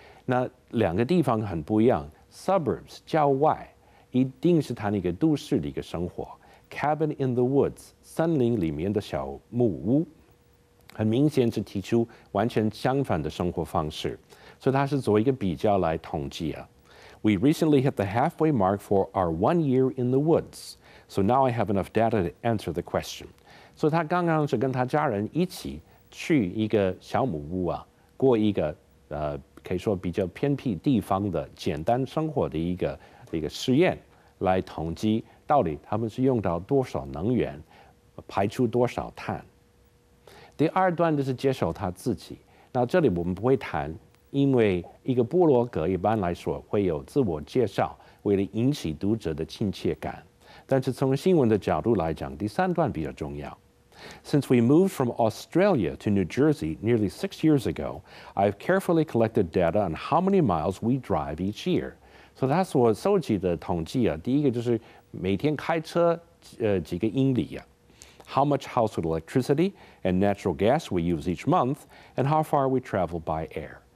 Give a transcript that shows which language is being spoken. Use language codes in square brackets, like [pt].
[zh] 那两个地方很不一样 ，suburbs 郊外一定是谈一个都市的一个生活 ， [en] cabin in the woods [zh] 森林里面的小木屋。很明显是提出完全相反的生活方式，所以它是做一个比较来统计啊。 [en] We recently hit the halfway mark for our 1 year in the woods, so now I have enough data to answer the question. [zh] 所以他刚刚是跟他家人一起去一个小木屋啊，过一个可以说比较偏僻地方的简单生活的一个实验，来统计到底他们是用到多少能源，排出多少碳。第二段就是接受他自己。那这里我们不会谈，因为一个部落格一般来说会有自我介绍，为了引起读者的亲切感。但是从新闻的角度来讲，第三段比较重要。 [en] Since we moved from Australia to New Jersey nearly 6 years ago, I've carefully collected data on how many miles we drive each year. [zh] 所以他所收集的统计啊，第一个就是每天开车几个英里啊。 [en] How much household electricity and natural gas we use each month, and how far we travel by air.